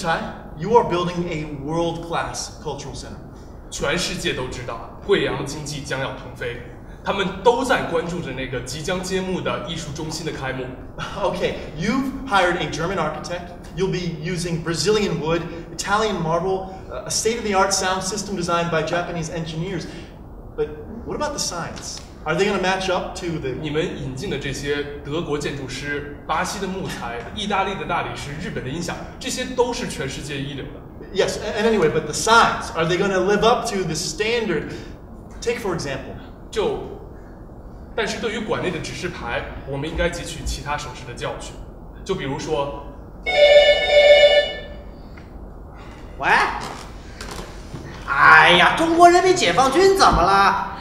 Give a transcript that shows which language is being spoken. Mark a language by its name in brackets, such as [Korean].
[English] Tai, you are building a world-class cultural center. [Chinese] 全世界都知道，贵阳经济将要腾飞。他们都在关注着那个即将揭幕的艺术中心的开幕。 [English] Okay, you've hired a German architect. You'll be using Brazilian wood, Italian marble, a state-of-the-art sound system designed by Japanese engineers. But what about the signs? Are they going to match up to the? [Chinese] 你们引进的这些德国建筑师、巴西的木材、意大利的大理石、日本的音响，这些都是全世界一流的。 [English] Yes, and anyway, but the signs, are they going to live up to the standard? Take for example. [Chinese] 就，但是对于馆内的指示牌，我们应该汲取其他省市的教训。就比如说，喂，哎呀，中国人民解放军怎么了？